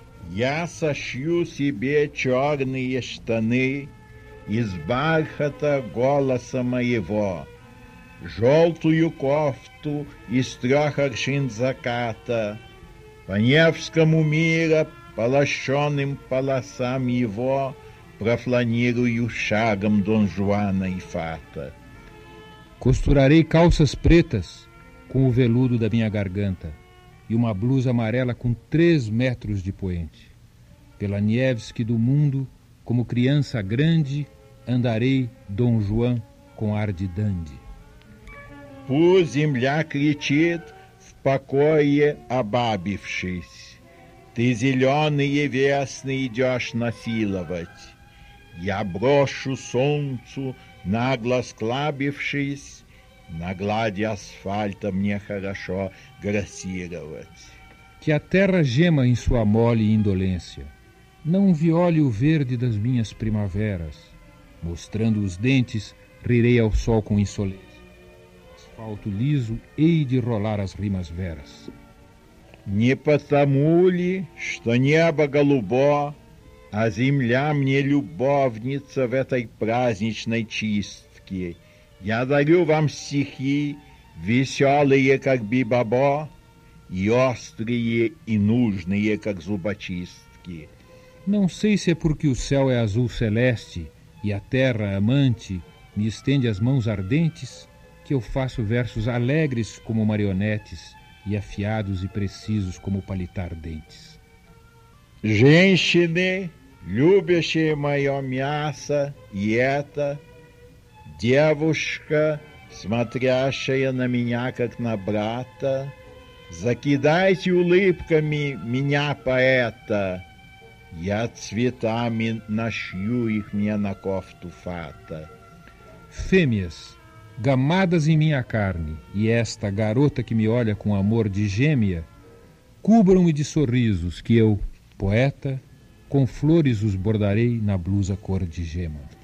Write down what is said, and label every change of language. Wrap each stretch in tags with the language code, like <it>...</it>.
<ru>Я сошью себе черные штаны из бархата голоса моего. Желтую кофту из трех аршин заката, по Невскому мира, полощенным полосам его, профланирую шагом Дон Жуана и Фата.</ru> <pt>Costurarei calças pretas com o veludo da minha garganta e uma blusa amarela com 3 metros de poente. Pela Nevski do mundo, como criança grande, andarei Dom João com ar de dandy.</pt> <ru>Пусть земля кричит в покое обабившись. Ты зеленые весны идешь насиловать. Я брошу солнцу, нагло склабившись, на глади асфальта мне хорошо грассировать.</ru> <pt>Que a terra gema em sua mole indolência. Não viole o verde das minhas primaveras. Mostrando os dentes, rirei ao sol com insolência. Asfalto liso, hei de rolar as rimas veras.</pt> <ru>Не потому ли, что небо голубо, а земля мне любовница в этой праздничной чистке. Я дарю вам стихи, веселые, как бибабо, и острые, и нужные, как зубочистки.</ru> <pt>Não sei se é porque o céu é azul celeste e a terra amante me estende as mãos ardentes, que eu faço versos alegres como marionetes e afiados e precisos como palitar dentes. Gente, né?</pt> <ru>Любящая моя мяса и это девушка, смотрящая на меня как на брата, закидайте улыбками меня, поэта, я цветами нашью их мне на кофту фата.</ru> <pt>Фемias, gamadas em minha carne, e esta garota que me olha com amor de gêmea, cubram-me de sorrisos que eu, poeta, com flores os bordarei na blusa cor de gema.</pt>